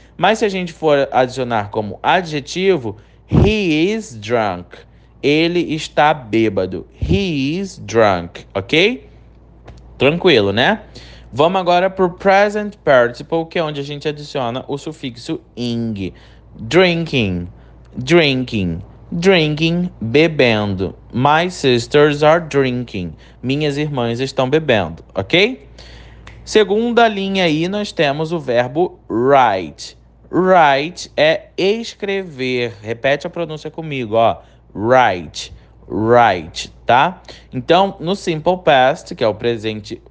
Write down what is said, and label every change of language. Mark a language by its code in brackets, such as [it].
[pt] Mas se a gente for adicionar como adjetivo, [en] he is drunk, [pt] ele está bêbado. [en] He is drunk, ok? [pt] Tranquilo, né? Vamos agora para o present participle, que é onde a gente adiciona o sufixo ing. [en] Drinking, drinking. Drinking, bebendo. My sisters are drinking. [pt] Minhas irmãs estão bebendo, ok? Segunda linha aí, nós temos o verbo write. Write é escrever. Repete a pronúncia comigo, ó. [en] Write, write, [pt] tá? Então, no simple past, que é o presente.